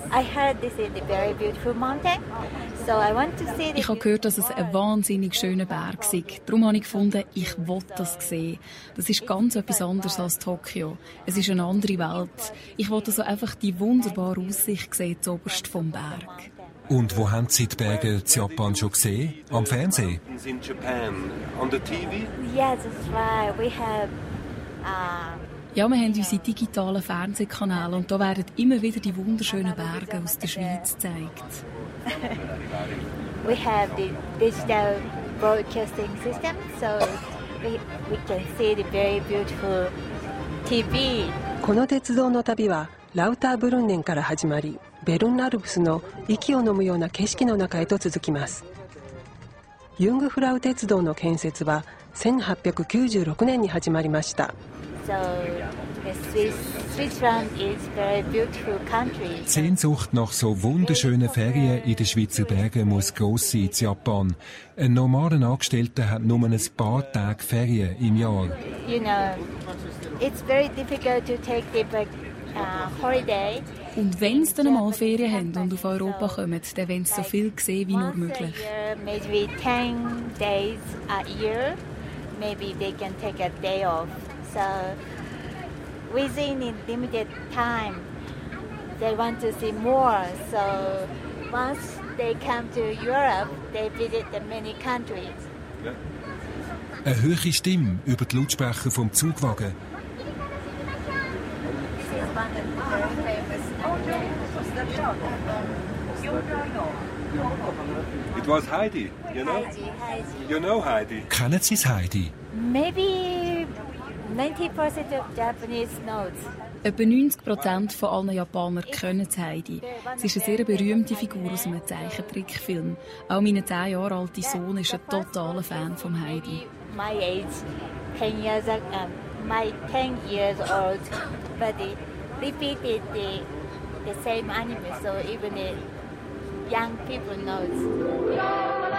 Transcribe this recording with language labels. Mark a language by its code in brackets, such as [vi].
[en] I heard this is a very beautiful mountain. So I want to see [de] this. Ich habe gehört, dass es ein wahnsinnig schöner Berg ist. Darum habe ich gefunden, ich will das sehen. Das ist ganz etwas anderes als Tokio. Es ist eine andere Welt. Ich will also einfach die wunderbare Aussicht sehen, zu oberst vom Berg. Und wo haben Sie die Berge in Japan schon gesehen? Am Fernsehen? [en] In Japan. On the TV? Yes, that's right. We have... [de] Ja, wir haben unsere digitalen Fernsehkanäle und da werden immer wieder die wunderschönen Berge aus der Schweiz gezeigt. [en] We have the digital broadcasting system, so we can see the very beautiful TV. [ja] この鉄道の旅はラウターブルンネンから始まり、ベルンナルプスの息を呑むような景色の中へと続きます。ユングフラウ鉄道の建設は1896年に始まりました。 [de] Sehnsucht nach so wunderschönen Ferien in den Schweizer Bergen muss gross sein in Japan. Ein normaler Angestellter hat nur ein paar Tage Ferien im Jahr. [en] You know, it's very difficult to take the holiday. [de] Und wenn sie dann mal Ferien haben und auf Europa kommen, dann wollen sie so viel sehen wie nur möglich. [en] Maybe 10 days a year, maybe they can take a day off. So within a limited time, they want to see more. So once they come to Europe, they visit many countries. [de] Eine höhere Stimme über die Lautsprecher vom Zugwagen. [en] It was Heidi, you know? Heidi. You know Heidi. [de] Kennen Sie Heidi? [en] Maybe 90% of Japanese knows. [de] Etwa 90% von allen Japanern kennen Heidi. Sie ist eine sehr berühmte Figur aus einem Zeichentrickfilm. Auch mein 10 Jahre alter Sohn ist ein totaler Fan von Heidi. [en] My age, 10 years old, my 10 years old buddy repeated the same anime, so even young people know.